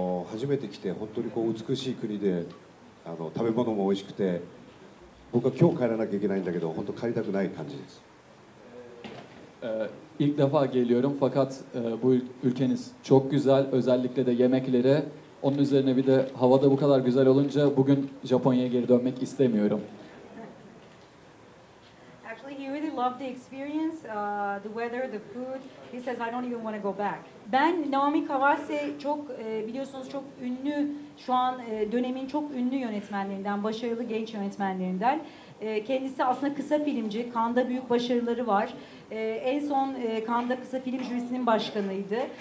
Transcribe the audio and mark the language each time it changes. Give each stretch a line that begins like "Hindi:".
Japanese: 初めて来て本当にこう美しい国で食べ物も美味しくて僕は今日帰らなきゃいけないんだけど本当帰りたくない感じです。
Turkish: İlk defa geliyorum fakat bu ülkeniz çok güzel, özellikle de yemekleri. Onun üzerine bir de hava da bu kadar güzel olunca bugün Japonya'ya geri dönmek istemiyorum.
English: Actually, he really loved the experience, the weather, the food. He says, I don't even want to go back.
Turkish: Ben Naomi Kawase çok biliyorsunuz çok ünlü, şu an dönemin çok ünlü yönetmenlerinden, başarılı genç yönetmenlerinden. Kendisi aslında kısa filmci, Cannes'da büyük başarıları var. En son Cannes'da kısa film jürisinin başkanıydı.